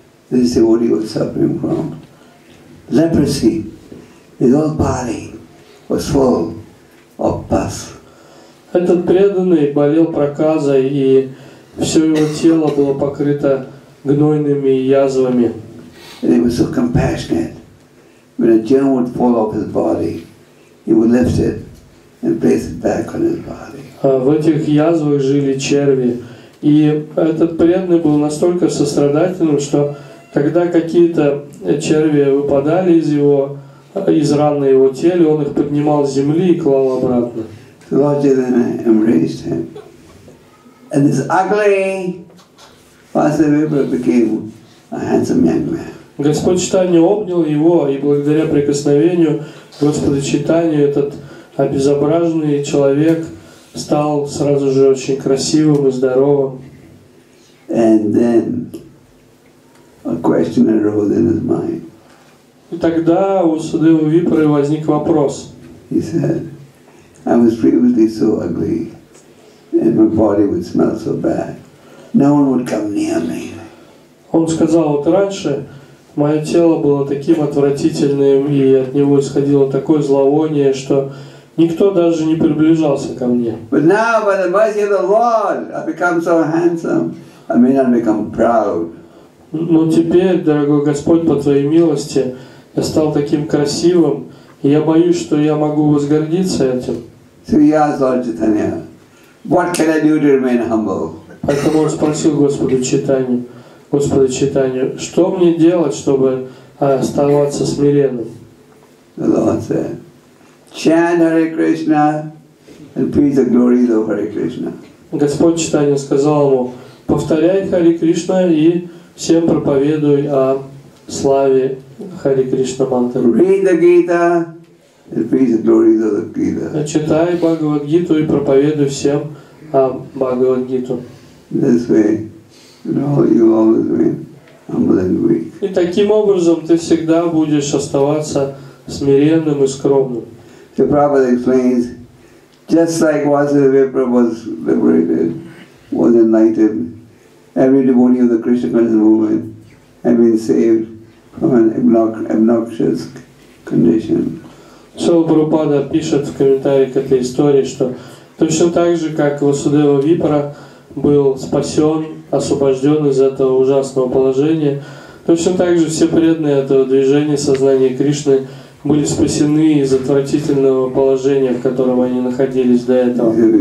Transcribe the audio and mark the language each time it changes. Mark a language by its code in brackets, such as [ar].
[en] This devotee was suffering from leprosy. His whole body was full of pus. [ru] Этот преданный болел проказой, и все его тело было покрыто гнойными язвами. [en] And he was so compassionate. when a gem would fall off his body, he would lift it and place it back on his body. [ru] В этих язвах жили черви, и этот преданный был настолько сострадательным, что когда какие-то черви выпадали из его из ран на его теле, он их поднимал с земли и клал обратно. [en] Lord Chaitanya embraced him, and this ugly Vasudeva became a handsome young man. [ru] Господь Читания обнял его, и благодаря прикосновению Господа Читания этот обезображенный человек стал сразу же очень красивым и здоровым. [en] And then a question arose in his mind. [ru] И тогда у Судевы Випры возник вопрос. [en] He said, I was previously so ugly, and my body would smell so bad. No one would come near me. [ru] Он сказал, вот раньше мое тело было таким отвратительным, и от него исходило такое зловоние, что никто даже не приближался ко мне. [en] But now, by the mercy of the Lord, I've become so handsome, I may not become proud. [ru] Но теперь, дорогой Господь, по Твоей милости, я стал таким красивым, и я боюсь, что я могу возгордиться этим. [en] So he asked Lord Chaitanya, what can I do to remain humble? [ru] Поэтому он спросил Господа Читанию, Господа Читанию, что мне делать, чтобы оставаться смиренным? [en] The Lord said, chant Hare Krishna and preach the glories of Hare Krishna. [ru] Господь Читания сказал ему, повторяй Хари Кришна и всем проповедуй о славе Хари Кришна Мантры. [en] Read the Gita and preach the glories of the Gita. [ru] Читай Бхагавад Гиту и проповедуй всем о Бхагавад Гиту. [en] This way, you always remain humble and weak. [ru] И таким образом ты всегда будешь оставаться смиренным и скромным. [en] The Prabhupada explains, just like Vasudeva Vipra was liberated, was enlightened, every devotee of the Krishna consciousness movement had been saved from an obnoxious condition. [ru] Шрила Прабхупада пишет в комментарии к этой истории, что точно так же, как Васудева Випра был спасен, освобожден из этого ужасного положения, точно так же все преданные этого движения сознания Кришны были спасены из отвратительного положения, в котором они находились до этого.